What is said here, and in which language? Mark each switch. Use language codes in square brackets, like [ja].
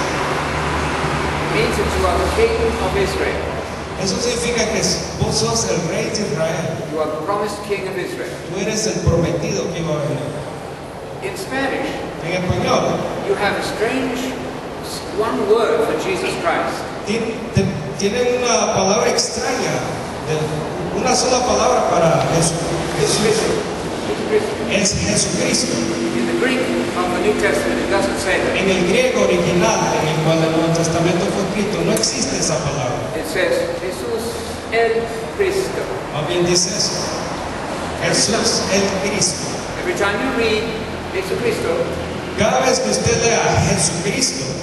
[en] It means that you are the King of Israel. [es] Eso significa que vos sos el Rey de Israel. [en] You are the promised King of Israel. [es] Tú eres el prometido que iba a venir. [en] In Spanish, [es] en español, [en] you have a strange one word for Jesus Christ. [es] Tienen una palabra extraña, una sola palabra para Jesucristo. Es Jesucristo. [en] In the Greek of the New Testament, it doesn't say that. [es] En el griego original, en el cual el Nuevo Testamento fue escrito, no existe esa palabra. [en] It says [es] Jesús el Cristo. Más bien dice eso. Jesús el Cristo. [en] Every time you read Jesucristo, [es] cada vez que usted lea Jesucristo,